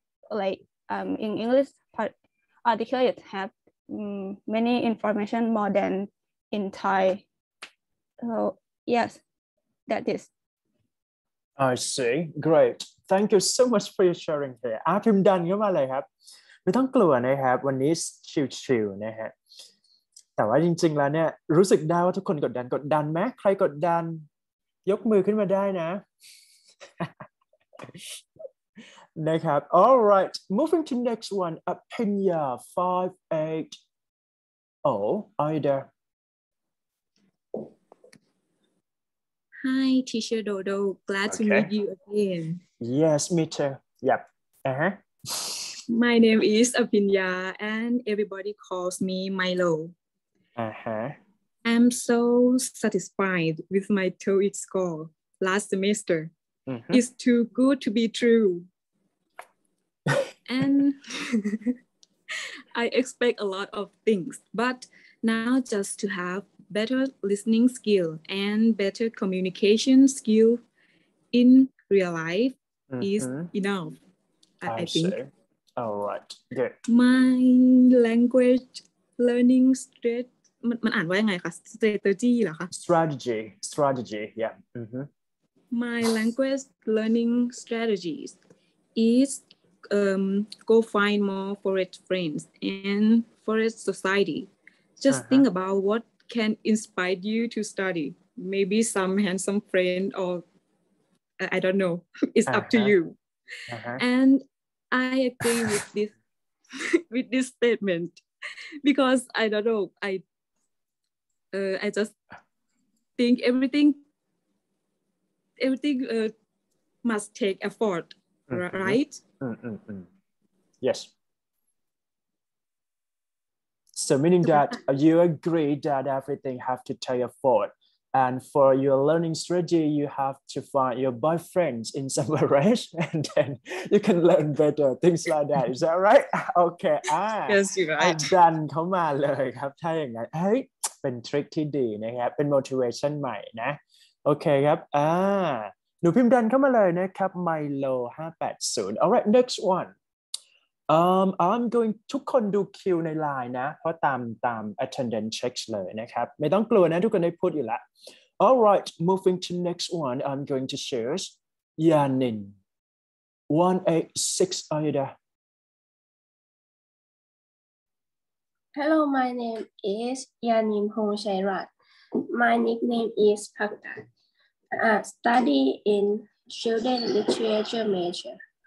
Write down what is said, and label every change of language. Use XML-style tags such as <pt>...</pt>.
<en>Like in English part article, it have many information more than in Thai. So yes, that is. I see. Great. Thank you so much for your sharing here.</en> <th>อาพิมดันเข้ามาเลยครับไม่ต้องกลัวนะครับวันนี้ชิลๆนะฮะแต่ว่าจริงๆแล้วเนี่ยรู้สึกได้ว่าทุกคนกดดันไหมใครกดดันยกมือขึ้นมาได้นะ นะครับ</th> <en>all right moving to next one Apinya 58 oh are you there hi teacher Dodo glad to meet you again yes me too yep My name is Apinya and everybody calls me Milo. I'm so satisfied with my TOEIC score last semester. Mm-hmm. It's too good to be true. And I expect a lot of things, but now just to have better listening skill and better communication skill in real life is enough, I think. See. All right, good. My language learning</en> <th>มันอ่านว่ายังไงคะ strategy เหรอคะ</th> <en>strategy yeah my language learning strategies is go find more foreign friends and foreign society just think about what can inspire you to study maybe some handsome friend or I don't know it's up to you andI agree with this statement because I don't know I just think everything must take effort right mm-hmm. Yes. So meaning that you agree that everything have to take a forward. And for your learning strategy, you have to find your boyfriends in somewhere, right? And then you can learn better, things like that. Is that right? Okay. Yes, you're right.</en> <th>ดันเข้ามาเลยครับถ้าอย่างนั้นเฮ้ยเป็นทริคที่ดีนะครับเป็น motivation ใหม่นะโอเคครับหนูพิมพ์ดันเข้ามาเลยนะครับ Milo 580</th> <en>All right, next one. I'm going</en> <th>ทุกคนดูคิวในไลน์นะเพราะตาม attendance checks เลยนะครับไม่ต้องกลัวนะทุกคนได้พูดอยู่แล้ว</th> <en>All right, moving to next one. I'm going to share Yanin 186 are you there? Hello, my name is Yanin Hong Shairat. My nickname is Pakta. Study in children literature major.</en>